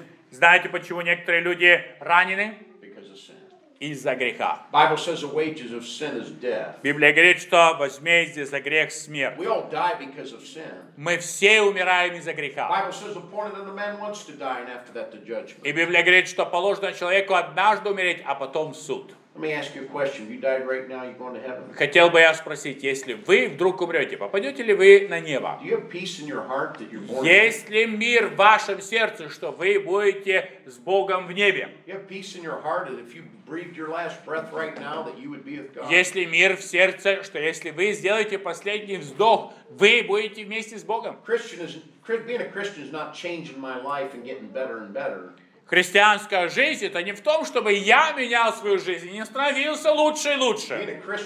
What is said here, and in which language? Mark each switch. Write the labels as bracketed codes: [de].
[ru] Знаете, почему некоторые люди ранены? Из-за греха. [en] Bible says the wages of sin is death. [ru] Библия говорит, что возмездие за грех – смерть. [en] We all die because of sin. [ru] Мы все умираем из-за греха. [en] Bible says appointed unto man once to die, and after that the judgment. [ru] И Библия говорит, что положено человеку однажды умереть, а потом суд. [en] Let me ask you a question. You died right now, you're going to heaven. [ru] Хотел бы я спросить, если вы вдруг умрете, попадете ли вы на небо? [en] Do you have peace in your heart that you're born? [ru] Есть ли мир в вашем сердце, что вы будете с Богом в небе? [en] Do you have peace in your heart that if you breathed your last breath right now, that you would be with God? [ru] Есть ли мир в сердце, что если вы сделаете последний вздох, вы будете вместе с Богом? [en] Being a Christian is not changing my life and getting better and better. [ru] Христианская жизнь — это не в том, чтобы я менял свою жизнь и не становился лучше и лучше.